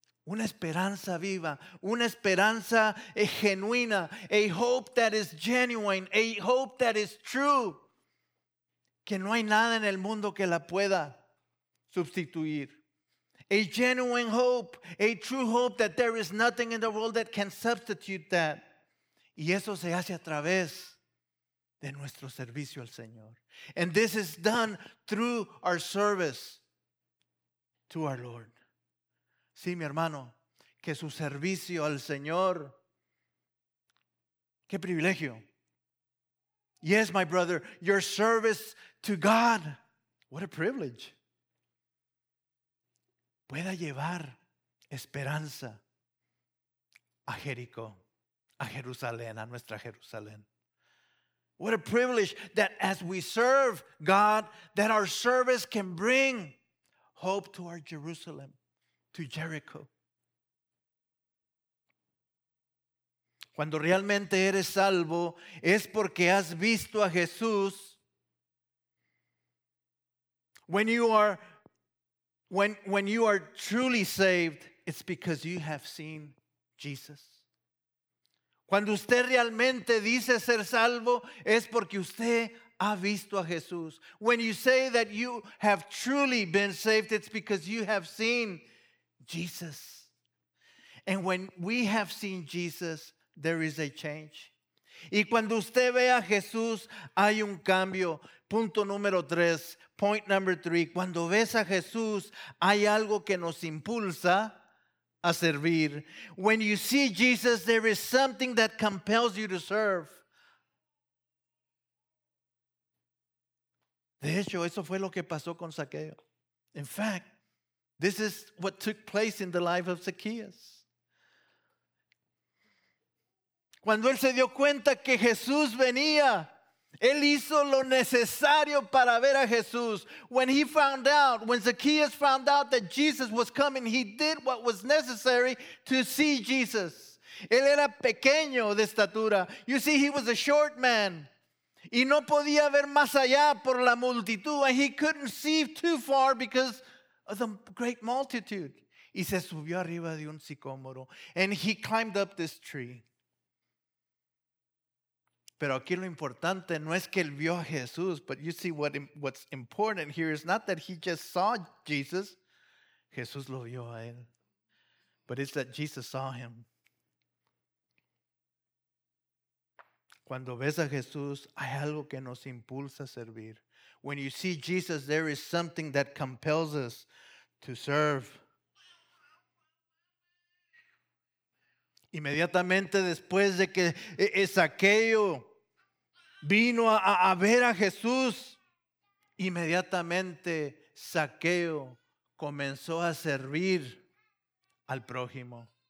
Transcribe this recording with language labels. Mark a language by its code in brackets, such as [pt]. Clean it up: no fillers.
[es] Una esperanza viva, una esperanza genuina, [en] a hope that is genuine, a hope that is true, [es] que no hay nada en el mundo que la pueda sustituir. [en] A genuine hope, a true hope that there is nothing in the world that can substitute that. [es] Y eso se hace a través de nuestro servicio al Señor. [en] And this is done through our service to our Lord. [es] Sí, mi hermano, que su servicio al Señor, qué privilegio. [en] Yes, my brother, your service to God, what a privilege. [es] Pueda llevar esperanza a Jericó, a Jerusalén, a nuestra Jerusalén. [en] What a privilege that as we serve God, that our service can bring hope to our Jerusalem, to Jericho. [es] Cuando realmente eres salvo, es porque has visto a Jesús. [en] When you are truly saved, it's because you have seen Jesus. [es] Cuando usted realmente dice ser salvo, es porque usted ha visto a Jesús. [en] When you say that you have truly been saved, it's because you have seen Jesus. And when we have seen Jesus, there is a change. [es] Y cuando usted ve a Jesús, hay un cambio. Punto número tres. [en] Point number three. [es] Cuando ves a Jesús, hay algo que nos impulsa a servir. [en] When you see Jesus, there is something that compels you to serve. [es] De hecho, eso fue lo que pasó con Zaqueo. [en] In fact, this is what took place in the life of Zacchaeus. [es] Cuando él se dio cuenta que Jesús venía, él hizo lo necesario para ver a Jesús. [en] When Zacchaeus found out that Jesus was coming, he did what was necessary to see Jesus. [es] Él era pequeño de estatura. [en] You see, he was a short man. [es] Y no podía ver más allá por la multitud. [en] And he couldn't see too far because of the great multitude. [es] Y se subió arriba de un sicómoro. [en] And he climbed up this tree. [es] Pero aquí lo importante no es que él vio a Jesús. [en] But you see, what's important here is not that he just saw Jesus. [es] Jesús lo vio a él. [en] But it's that Jesus saw him. [es] Cuando ves a Jesús, hay algo que nos impulsa a servir. [en] When you see Jesus, there is something that compels us to serve. [es] Inmediatamente después de que Zaqueo vino a ver a Jesús, inmediatamente Zaqueo comenzó a servir al prójimo.